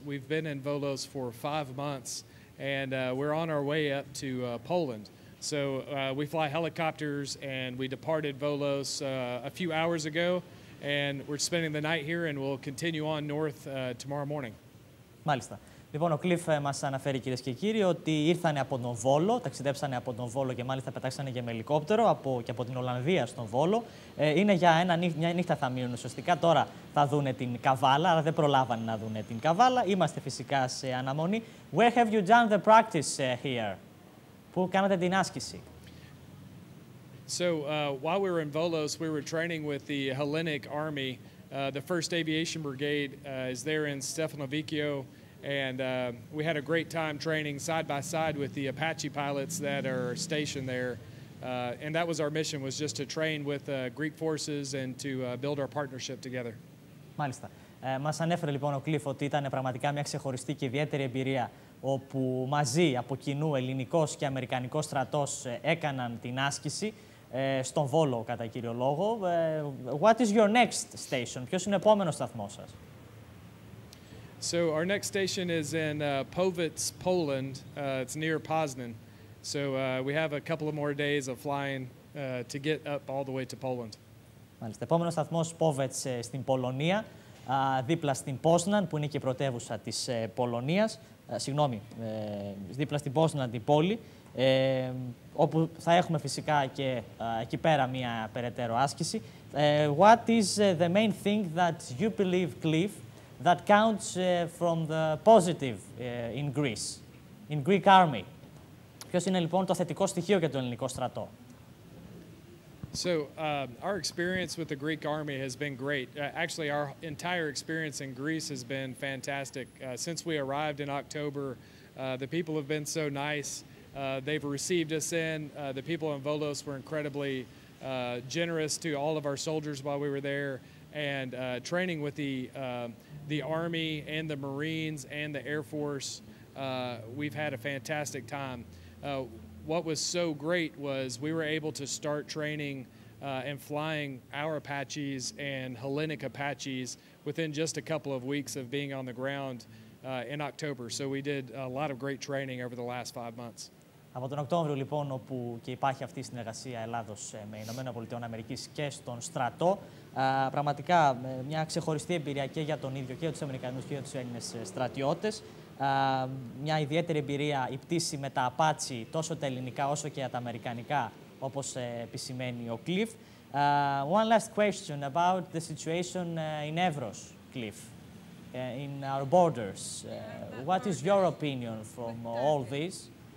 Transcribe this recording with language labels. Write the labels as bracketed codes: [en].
[en] We've been in Volos for 5 months, and we're on our way up to Poland. So we fly helicopters, and we departed Volos a few hours ago, and we're spending the night here, and we'll continue on north tomorrow morning. [el] Μάλιστα. Λοιπόν, ο Cliff μας αναφέρει, κυρίες και κύριοι, ότι ήρθανε από τον Βόλο, ταξιδέψανε από τον Βόλο και μάλιστα πετάξανε και με ελικόπτερο και από την Ολλανδία στον Βόλο. Είναι για μια νύχτα θα μείνουν ουσιαστικά. Τώρα θα δούνε την Καβάλα, αλλά δεν προλάβανε να δούνε την Καβάλα. Είμαστε φυσικά σε αναμονή. [en] Where have you done the practice here? [el] Πού κάνατε την άσκηση? [en] So, while we were in Volos, we were training with the Hellenic Army. The 1st Aviation Brigade is there in Stefanovicio. And we had a great time training side by side with the Apache pilots that are stationed there. And that was our mission, was just to train with Greek forces and to build our partnership together. [el] Μάλιστα. Μας ανέφερε λοιπόν ο Cliff ότι ήταν πραγματικά μια ξεχωριστή και ιδιαίτερη εμπειρία, όπου μαζί από κοινού ελληνικός και αμερικανικός στρατός έκαναν την άσκηση στον Βόλο, κατά κύριο λόγο. [en] What is your next station? [el] Ποιος είναι ο επόμενος σταθμός σας? [en] So our next station is in Powitz, Poland. It's near Poznan. So we have a couple of more days of flying to get up all the way to Poland. [el] Μάλιστα. Επόμενος σταθμός, Powitz, στην Πολωνία, δίπλα στην Πόσναν, που είναι και η πρωτεύουσα της Πολωνίας. Συγγνώμη, δίπλα στην Πόσναν, την πόλη, όπου θα έχουμε φυσικά και εκεί πέρα μια περαιτέρω άσκηση. [en] What is the main thing that you believe, Cliff, that counts from the positive in Greece, in Greek army? [el] Ποιος είναι λοιπόν το θετικό στοιχείο για τον ελληνικό στρατό? [en] So our experience with the Greek army has been great. Actually, our entire experience in Greece has been fantastic. Since we arrived in October, the people have been so nice. They've received us in. The people in Volos were incredibly generous to all of our soldiers while we were there. And training with the Army and the Marines and the Air Force, we've had a fantastic time. What was so great was we were able to start training and flying our Apaches and Hellenic Apaches within just a couple of weeks of being on the ground in October. So we did a lot of great training over the last 5 months. [el] Από τον Οκτώβριο, λοιπόν, όπου και υπάρχει αυτή η συνεργασία Ελλάδος με Ηνωμένα Πολιτεία Αμερικής και στον στρατό, πραγματικά μια ξεχωριστή εμπειρία και για τον ίδιο και για τους Αμερικανούς και για τους Έλληνες στρατιώτες. Μια ιδιαίτερη εμπειρία η πτήση με τα Apache, τόσο τα ελληνικά όσο και τα αμερικανικά, όπως επισημαίνει ο Cliff. [en] One last question about the situation in Evros, Cliff, in our borders. What is your opinion from all this?